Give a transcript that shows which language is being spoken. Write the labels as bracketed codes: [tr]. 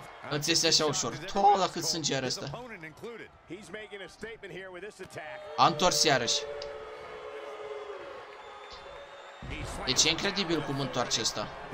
[ro] Îți este așa ușor. Toala cât sânge are ăsta. [en] He's making a statement here with this attack. [ro] A întors iarăși. Deci e incredibil cum întoarce ăsta.